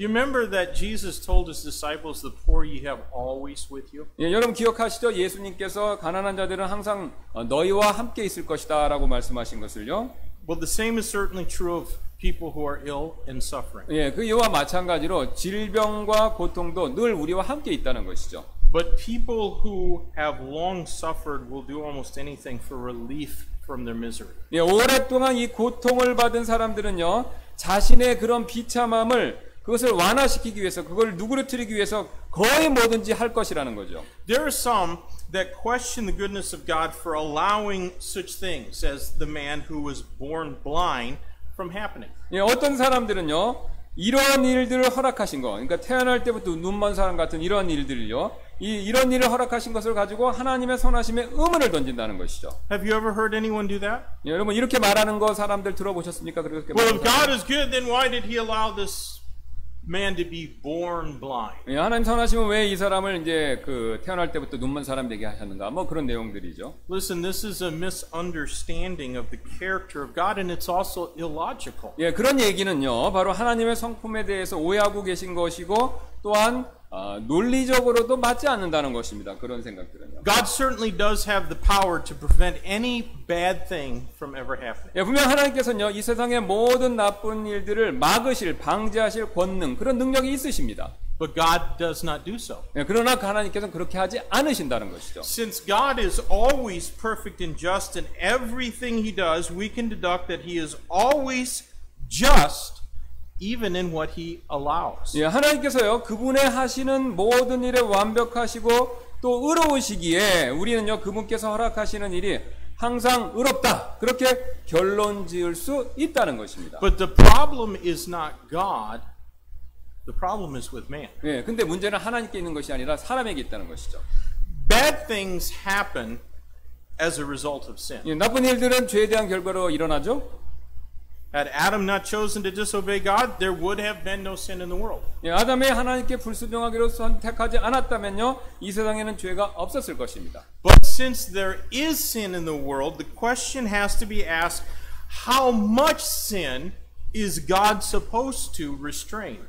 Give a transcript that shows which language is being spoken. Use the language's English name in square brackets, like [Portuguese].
[English] You remember that Jesus told his disciples, "The poor you have always with you." [Korean] 예, 여러분 기억하시죠? 예수님께서 가난한 자들은 항상 너희와 함께 있을 것이다라고 말씀하신 것을요. [English] Well, the same is certainly true of people who are ill and suffering. [Korean] 예, 그 이와 마찬가지로 질병과 고통도 늘 우리와 함께 있다는 것이죠. [English] But people who have long suffered will do almost anything for relief. From their misery. [Korean] 예, 오랫동안 이 고통을 받은 사람들은요 자신의 그런 비참함을 그것을 완화시키기 위해서 그걸 누그러뜨리기 위해서 거의 뭐든지 할 것이라는 거죠. [English] There are some that question the goodness of God for allowing such things as the man who was born blind from happening. [Korean] 예, 어떤 사람들은요 이런 일들을 허락하신 거, 그러니까 태어날 때부터 눈먼 사람 같은 이런 일들을요. 이런 일을 허락하신 것을 가지고 하나님의 선하심에 의문을 던진다는 것이죠. [English] Have you ever heard anyone do that? [Korean] 예, 여러분 이렇게 말하는 거 사람들 들어보셨습니까? 그렇게 [English] Well, if God is good, then why did He allow this man to be born blind? [Korean] 예, 하나님 선하시면 왜 이 사람을 이제 그 태어날 때부터 눈먼 사람 되게 하셨는가? 뭐 그런 내용들이죠. [English] Listen, this is a misunderstanding of the character of God, and it's also illogical. [Korean] 예, 그런 얘기는요, 바로 하나님의 성품에 대해서 오해하고 계신 것이고, 또한 논리적으로도 맞지 않는다는 것입니다. 그런 생각들은요. [English] God certainly does have the power to prevent any bad thing from ever happening. [Korean] 예, 분명 하나님께서는요, 이 세상의 모든 나쁜 일들을 막으실, 방지하실 권능, 그런 능력이 있으십니다. [English] But God does not do so. [Korean] 예, 그러나 하나님께서는 그렇게 하지 않으신다는 것이죠. [English] Since God is always perfect and just in everything He does, we can deduct that He is always just. Even in what He allows. [Korean] 예, 하나님께서요 그분의 하시는 모든 일에 완벽하시고 또 의로우시기에 우리는요 그분께서 허락하시는 일이 항상 의롭다 그렇게 결론 지을 수 있다는 것입니다. [English] But the problem is not God. The problem is with man. [Korean] 예, 근데 문제는 하나님께 있는 것이 아니라 사람에게 있다는 것이죠. [English] Bad things happen as a result of sin. [Korean] 예, 나쁜 일들은 죄에 대한 결과로 일어나죠. [English] Had Adam not chosen to disobey God, there would have been no sin in the world. [Korean] 예, 아담이 하나님께 불순종하기로 선택하지 않았다면요, 이 세상에는 죄가 없었을 것입니다. [English] But since there is sin in the world, the question has to be asked: How much sin is God supposed to restrain?